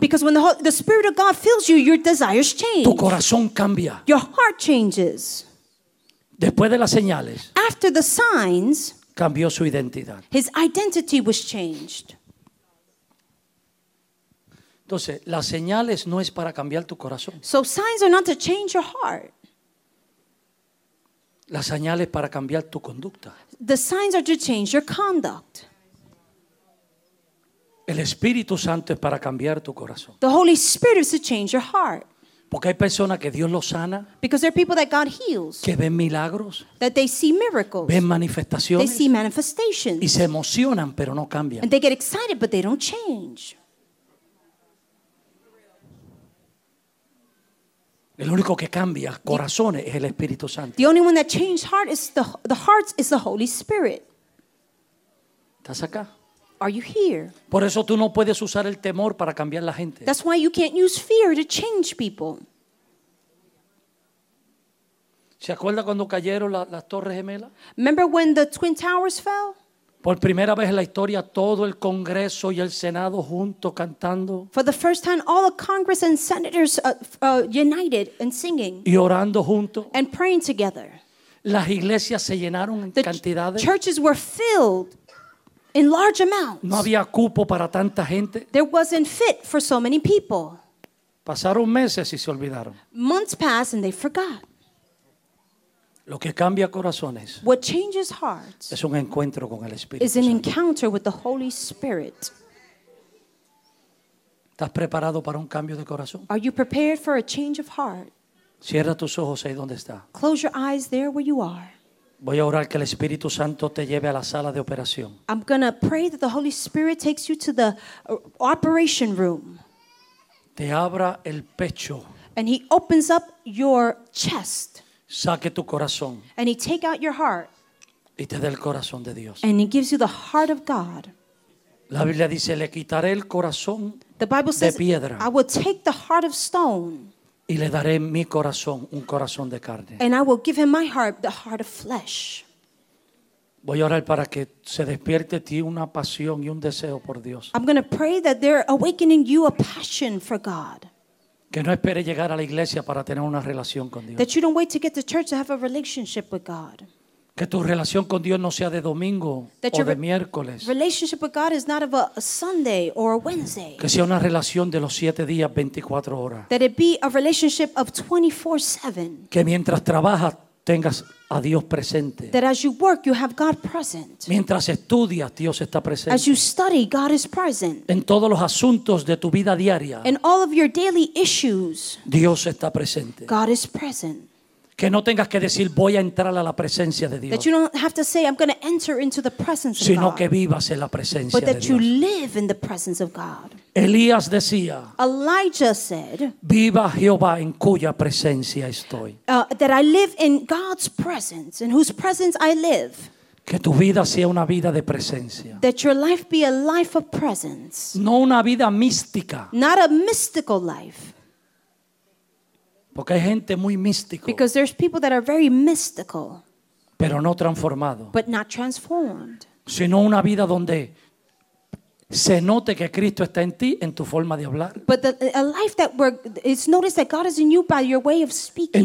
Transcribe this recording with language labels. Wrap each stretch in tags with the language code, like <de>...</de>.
<en>Because when the Spirit of God fills you, your desires change.</en> <es>Tu corazón cambia.</es> <en>Your heart changes.</en> <es>Después de las señales,</es> <en>after the signs,</en> <es>cambió su identidad.</es> <en>His identity was changed.</en> <es>Entonces, las señales no es para cambiar tu corazón.</es> <en>So signs are not to change your heart.</en> <es>Las señales para cambiar tu conducta.</es> <en>The signs are to change your conduct.</en> <es>El Espíritu Santo es para cambiar tu corazón.</es> <en>The Holy Spirit is to change your heart.</en> <es>Porque hay personas que Dios los sana.</es> <en>Because there are people that God heals.</en> <es>Que ven milagros.</es> <en>That they see miracles.</en> <es>Ven manifestaciones.</es> <en>They see manifestations.</en> <es>Y se emocionan, pero no cambian.</es> <en>And they get excited, but they don't change.</en> <es>El único que cambia corazones es el Espíritu Santo.</es> <en>The only one that changes heart is the hearts is the Holy Spirit.</en> <es>¿Estás acá?</es> <en>Are you here?</en> <es>Por eso tú no puedes usar el temor para cambiar la gente.</es> <en>That's why you can't use fear to change people.</en> <es>¿Se acuerda cuando cayeron las Torres Gemelas?</es> <en>Remember when the Twin Towers fell?</en> <es>Por primera vez en la historia, todo el Congreso y el Senado juntos cantando.</es> <en>For the first time, all the Congress and senators united and singing.</en> <es>Y orando juntos.</es> <en>And praying together.</en> <es>Las iglesias se llenaron en cantidades.</es> <en>Churches were filled in large amounts.</en> <es>No había cupo para tanta gente.</es> <en>There wasn't fit for so many people.</en> <es>Pasaron meses y se olvidaron.</es> <en>Months passed and they forgot.</en> <es>Lo que cambia corazones,</es> <en>what changes hearts,</en> <es>es un encuentro con el Espíritu</es> <en>Santo. Is an encounter with the Holy Spirit.</en> <es>¿Estás preparado para un cambio de corazón?</es> <en>Are you prepared for a change of heart?</en> <es>Cierra tus ojos ahí donde está.</es> <en>Close your eyes there where you are.</en> <es>Voy a orar que el Espíritu Santo te lleve a la sala de operación.</es> <en>I'm going to pray that the Holy Spirit takes you to the operation room.</en> <es>Te abra el pecho.</es> <en>And he opens up your chest.</en> <es>Saque tu corazón.</es> <en>And he take out your heart.</en> <es>Y te dé el corazón de Dios.</es> <en>And he gives you the heart of God.</en> <es>La Biblia dice, le quitaré el corazón de piedra.</es> <en>The Bible says, I will take the heart of stone.</en> <es>Y le daré mi corazón, un corazón de carne.</es> <en>And I will give him my heart, the heart of flesh.</en> <es>Voy a orar para que se despierte ti una pasión y un deseo por Dios.</es> <en>I'm going to pray that they're awakening you a passion for God.</en> <es>Que no espere llegar a la iglesia para tener una relación con Dios.</es> <en>That you don't wait to get to church to have a relationship with God.</en> <es>Que tu relación con Dios no sea de domingo</es> <en>that</en> <es>o de miércoles.</es> <en>Relationship with God is not of a Sunday or a Wednesday.</en> <es>Que sea una relación de los 7 días, 24 horas.</es> <en>That it be a relationship of 24/7.</en> <es>Que mientras trabajas tengas a Dios presente.</es> <en>That as you work, you have God present.</en> <es>Mientras estudias, Dios está presente.</es> <en>As you study, God is present.</en> <es>En todos los asuntos de tu vida diaria.</es> <en>In all of your daily issues.</en> <es>Dios está presente.</es> <en>God is present.</en> <es>Que no tengas que decir, voy a entrar a la presencia de Dios.</es> <en>That you don't have to say, I'm going to enter into the presence of God.</en> <es>Sino que vivas en la presencia de Dios.</es> <en>But that you live in the presence of God.</en> <es>Elías decía,</es> <en>Elijah said,</en> <es>viva Jehová en cuya presencia estoy.</es> <en>That I live in God's presence, in whose presence I live.</en> <es>Que tu vida sea una vida de presencia.</es> <en>That your life be a life of presence.</en> <es>No una vida mística.</es> <en>Not a mystical life.</en> <es>Porque hay gente muy mística.</es> <en>Because there's people that are very mystical.</en> <es>Pero no transformado.</es> <en>But not transformed.</en> <es>Sino una vida donde se note que Cristo está en ti, en tu forma de hablar.</es> <en>But a life that where it's noticed that God is in you by your way of speaking.</en>